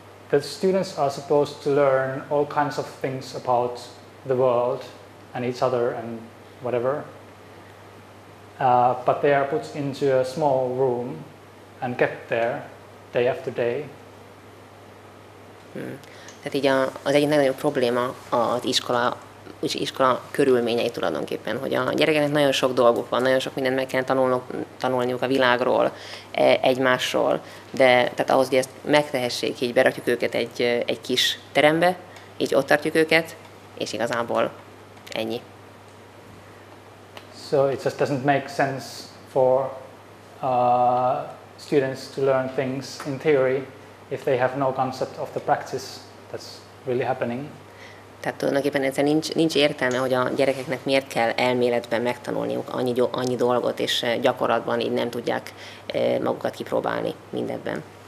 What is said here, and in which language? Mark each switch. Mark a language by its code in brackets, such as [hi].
[en] the students are supposed to learn all kinds of things about the world and each other and whatever. But they are put into a small room and kept there day after day. [hu] Tehát így az egyik nagyon probléma az iskola, úgy iskola körülményei tulajdonképpen, hogy a gyerekeknek nagyon sok dolguk van, nagyon sok mindent meg kell tanulniuk a világról, egymásról, de tehát ahhoz, hogy ezt megtehessék, így berakjuk őket egy kis terembe, így ott tartjuk őket, és igazából ennyi. [en] So it just doesn't make sense for students to learn things in theory if they have no concept of the practice that's really happening. [hu] Tehát tulajdonképpen ez nincs értelme, hogy a gyerekeknek miért kell elméletben megtanulniuk annyi dolgot, és gyakorlatban így nem tudják magukat kipróbálni mindebben.